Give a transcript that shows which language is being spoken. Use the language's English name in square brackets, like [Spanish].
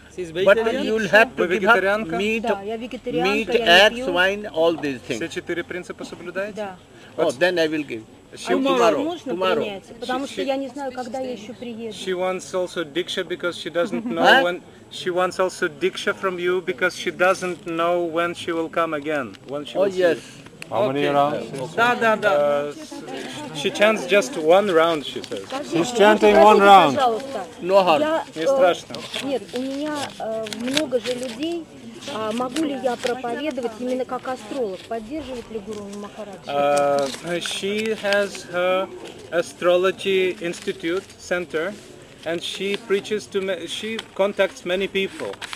[English] But you'll have to give up meat, meat, eggs, wine, all these things. [Russian] Все четыре принципа соблюдаете? Да. [English] Oh, then I will give. Tomorrow. [Russian] Потому что я не знаю, когда я еще приеду. [English] She wants also diksha because she doesn't know when. She wants also diksha from you because she doesn't know when she will come again. When she will oh yes. How many rounds? Okay. [Russian] Da, da, da. [English] She chants just one round, she says. She's chanting one round. No harm. [Russian] Не страшно. Нет, у меня много же людей. Могу ли я проповедовать именно как астролог? Поддерживает ли Гуру Махарадж? [English] She has her astrology institute center, and she preaches to she contacts many people.